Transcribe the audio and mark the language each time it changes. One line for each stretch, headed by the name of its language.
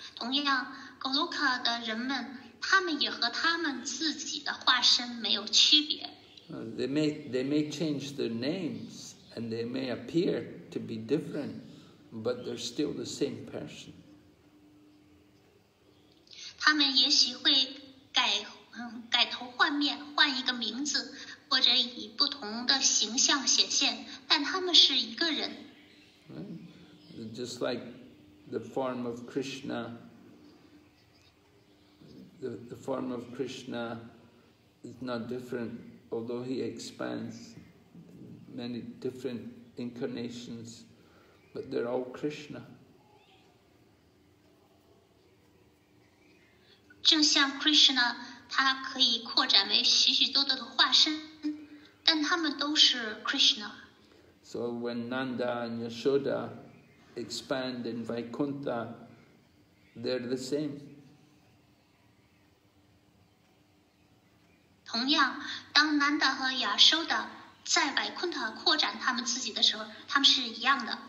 Chinese: 同样 ，Goloka 的人们，他们也和他们自己的化身没有区别。
English: They may change their names and they may appear to be different, but they're still the same person.
Chinese: 他们也许会改头换面，换一个名字，或者以不同的形象显现，但他们是一个人。
English: Right. Just like the form of Krishna. The form of Krishna is not different, although he expands many different incarnations, but they're all Krishna.
Chinese: 正像 Krishna, 他可以扩展为许许多多的化身，但他们都是 Krishna.
English: So when Nanda and Yashoda expand in Vaikuntha, they're the same.
Chinese: 同样，当南达和亚修达在百昆塔扩展他们自己的时候，他们是一样的。